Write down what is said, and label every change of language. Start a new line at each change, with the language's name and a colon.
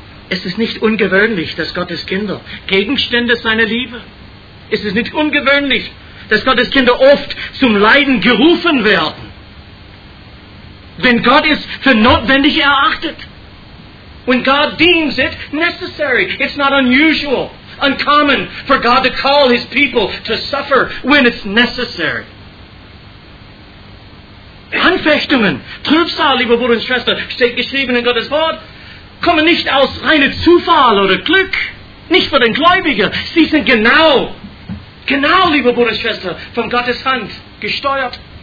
German: Es ist nicht ungewöhnlich, dass Gottes Kinder Gegenstände seiner Liebe, es ist nicht ungewöhnlich, dass Gottes Kinder oft zum Leiden gerufen werden, wenn Gott es für notwendig erachtet.
English: When God deems it necessary, it's not unusual, uncommon for God to call his people to suffer when it's necessary.
German: Anfechtungen, Trübsal, liebe Bruder und Schwester, steht geschrieben in Gottes Wort, kommen nicht aus reinem Zufall oder Glück, nicht für den Gläubigen. Sie sind genau, liebe Bruder und Schwester, von Gottes Hand gesteuert.